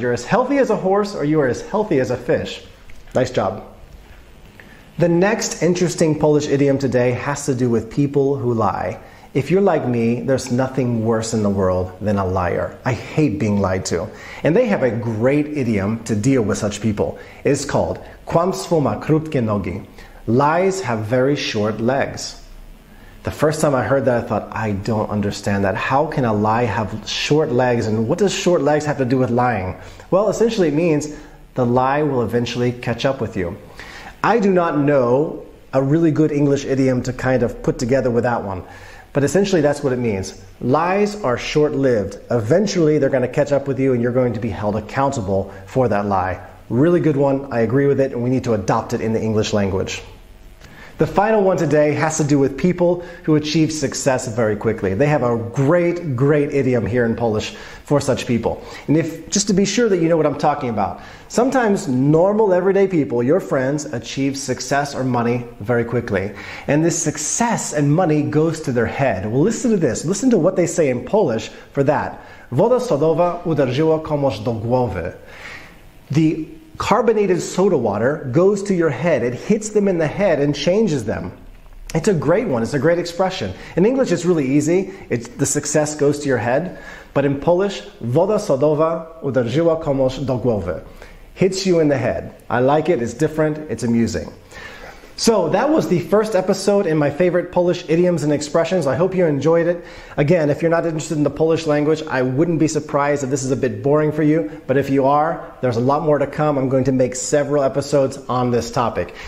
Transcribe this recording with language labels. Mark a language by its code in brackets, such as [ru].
[en] You're as healthy as a horse or you are as healthy as a fish. Nice job. The next interesting Polish idiom today has to do with people who lie. If you're like me, there's nothing worse in the world than a liar. I hate being lied to. And they have a great idiom to deal with such people. It's called [pl] kłamstwo ma krótkie nogi. [en] Lies have very short legs. The first time I heard that, I thought, I don't understand that. How can a lie have short legs? And what does short legs have to do with lying? Well, essentially it means the lie will eventually catch up with you. I do not know a really good English idiom to kind of put together with that one. But essentially that's what it means. Lies are short-lived. Eventually they're going to catch up with you and you're going to be held accountable for that lie. Really good one. I agree with it and we need to adopt it in the English language. The final one today has to do with people who achieve success very quickly. They have a great, great idiom here in Polish for such people. And if just to be sure that you know what I'm talking about, sometimes normal everyday people, your friends, achieve success or money very quickly. And this success and money goes to their head. Well, listen to this. Listen to what they say in Polish for that. [pl] Woda sodowa uderzyła komuś do głowy. [en] The carbonated soda water goes to your head. It hits them in the head and changes them. It's a great one. It's a great expression. In English, it's really easy. The success goes to your head. But in Polish, [pl] woda sodowa uderzyła komuś do głowy. [en] Hits you in the head. I like it. It's different. It's amusing. So that was the first episode in my favorite Polish idioms and expressions. I hope you enjoyed it. Again, if you're not interested in the Polish language, I wouldn't be surprised if this is a bit boring for you. But if you are, there's a lot more to come. I'm going to make several episodes on this topic.